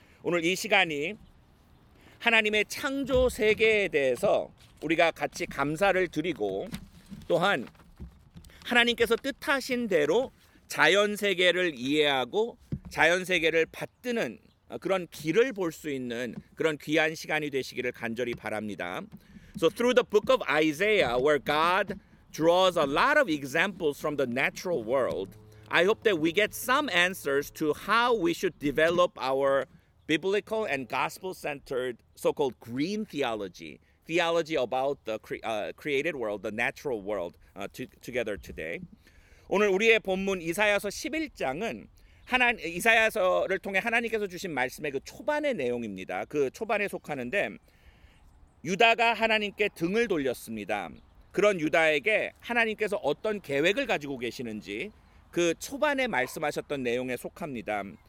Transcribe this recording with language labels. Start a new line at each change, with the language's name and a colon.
Korean: 오늘 이 시간이 하나님의 창조 세계에 대해서 우리가 같이 감사를 드리고, 또한 하나님께서 뜻하신 대로 자연 세계를 이해하고 자연 세계를 받드는 그런 길을 볼수 있는 그런 귀한 시간이 되시기를 간절히 바랍니다.
English: So through the book of Isaiah, where God draws a lot of examples from the natural world, I hope that we get some answers to how we should develop our biblical and gospel-centered so-called green theology, theology about the created world, the natural world, together today.
Korean: 오늘 우리의 본문 이사야서 11장은 이사야서를 통해 하나님께서 주신 말씀의 그 초반의 내용입니다. 그 초반에 속하는데, 유다가 하나님께 등을 돌렸습니다. 그런 유다에게 하나님께서 어떤 계획을 가지고 계시는지 그 초반에 말씀하셨던 내용에 속합니다.